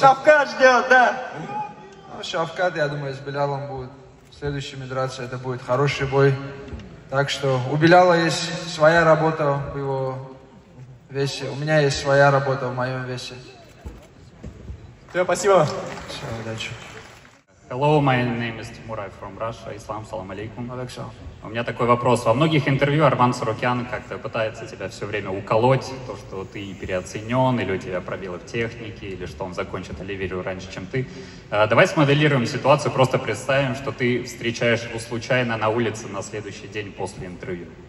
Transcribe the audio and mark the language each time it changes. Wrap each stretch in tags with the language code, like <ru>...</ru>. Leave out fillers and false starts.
<ru>Шавкат ждет, да. Ну, Шавкат, я думаю, с Белялом будет следующими драться. Это будет хороший бой. Так что у Беляла есть своя работа в его весе. У меня есть своя работа в моем весе. Все, спасибо. Все, удачи.</ru> <en>Hello, my name is Timur, I'm from Russia.</en> <ru>Ислам, салам алейкум. Алексей. У меня такой вопрос. Во многих интервью Арман Сарукян как-то пытается тебя все время уколоть, то, что ты переоценен, или у тебя пробелы в технике, или что он закончит Оливейру раньше, чем ты. Давай смоделируем ситуацию, просто представим, что ты встречаешь его случайно на улице на следующий день после интервью.</ru>